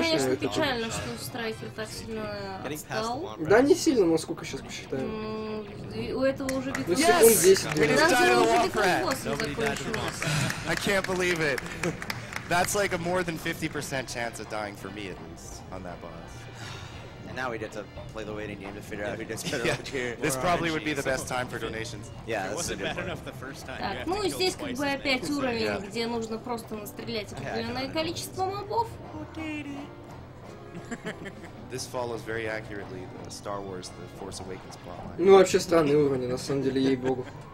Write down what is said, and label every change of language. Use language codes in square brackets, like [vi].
[ru] Это, конечно, печально, что Страйкер так сильно отстал. Да, не сильно, насколько сейчас посчитаем. У этого уже битва с боссом. Ну, секунд 10. Дензел уже битва с боссом закончилась. [en] I can't believe it. That's like a more than 50% chance of dying for me, at least, on that boss. And now we get to play the waiting game to figure out who gets better up here. This probably would be the best time for donations. Yeah, this is a good point. [ru] Так, ну и здесь как бы опять уровень, где нужно просто настрелять определенное количество мобов. [en] This follows very accurately the Star Wars The Force Awakens plotline. [ru] Ну вообще странный уровень, на самом деле, ей-богу.